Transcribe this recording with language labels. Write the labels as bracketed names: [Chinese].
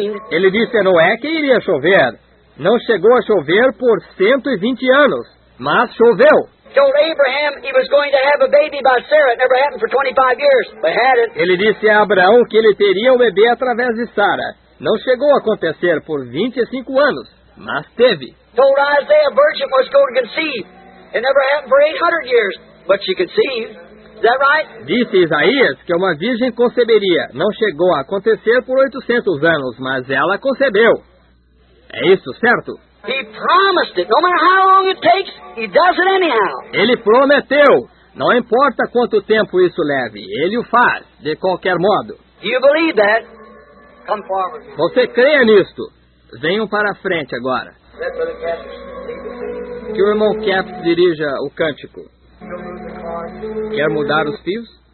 [Portuguese] Ele disse a Noé que iria chover. Não chegou a chover por 120 anos, mas choveu. [English] Told Abraham he was going to have a baby by Sarah. It never happened for 25 years, but had it. [Portuguese] Ele disse a Abraão que ele teria um bebê através de Sara. Não chegou a acontecer por 25 anos, mas teve. [English] Told Isaiah a virgin was going to conceive. It never happened for 800 years, but she conceived. Is that right? [Portuguese] Disse Isaías que uma virgem conceberia. Não chegou a acontecer por 800 anos, mas ela concebeu. É isso, certo? [English] He promised it. No matter how long it takes, he does it anyhow. [Portuguese] Ele prometeu. Não importa quanto tempo isso leve, ele o faz, de qualquer modo. [English] Do you believe that? Come forward. [Portuguese] Você crê nisto? Venham para a frente agora. Que o irmão Cap dirija o cântico. Quer mudar os fios?